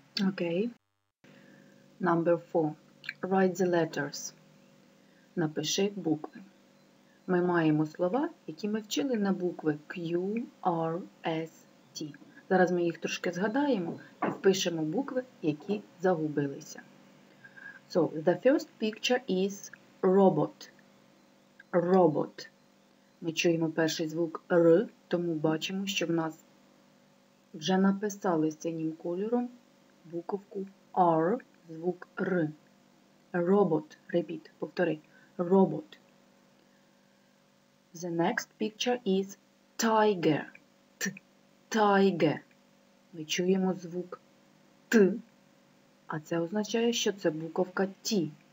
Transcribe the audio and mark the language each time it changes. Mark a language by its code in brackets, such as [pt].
[en] Окей. Number 4. Write the letters. [uk] Напиши букви. Ми маємо слова, які ми вчили на букви Q, R, S, T. Зараз ми їх трошки згадаємо і впишемо букви, які загубилися. [en] So, the first picture is robot. Robot. [uk] Ми чуємо перший звук R, тому бачимо, що в нас вже написали синім кольором буковку R, звук R. [en] Robot. Repeat. [uk] Повтори. [en] Robot. The next picture is tiger. T, tiger. [uk] Ми чуємо звук Т, а це означає, що це буковка Т.